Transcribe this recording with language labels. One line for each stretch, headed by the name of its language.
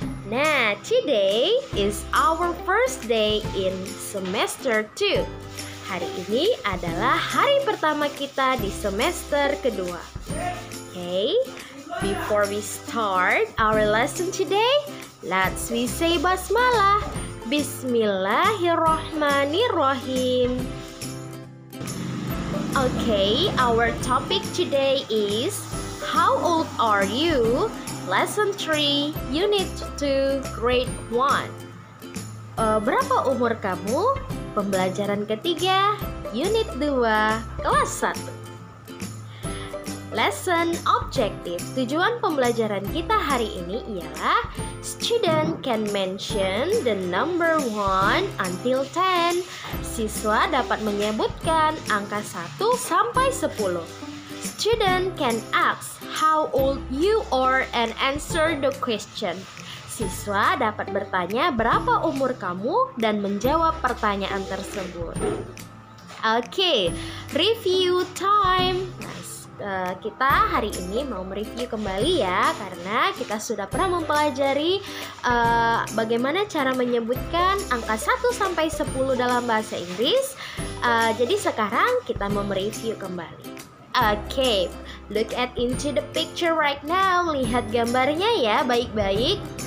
English: Nah, today is our first day in semester 2.
Indonesian: Hari ini adalah hari pertama kita di semester kedua.
English: Okay, before we start our lesson today, let's we say basmalah.
Arabic: Bismillahirrahmanirrahim.
English: Okay, our topic today is how old are you? Lesson 3, Unit 2, Grade 1.
Indonesian: Berapa umur kamu? Pembelajaran ketiga, Unit 2, Kelas 1.
English: Lesson objective.
Indonesian: Tujuan pembelajaran kita hari ini ialah
English: student can mention the number 1 until 10.
Indonesian: Siswa dapat menyebutkan angka 1 sampai 10.
English: Student can ask how old you are and answer the question.
Indonesian: Siswa dapat bertanya berapa umur kamu dan menjawab pertanyaan tersebut.
English: Okay, review time.
Indonesian: Kita hari ini mau mereview kembali ya, karena kita sudah pernah mempelajari bagaimana cara menyebutkan angka 1 sampai 10 dalam bahasa Inggris. Jadi sekarang kita mau mereview kembali.
English: Okay, look at into the picture right now.
Indonesian: Lihat gambarnya ya, baik-baik.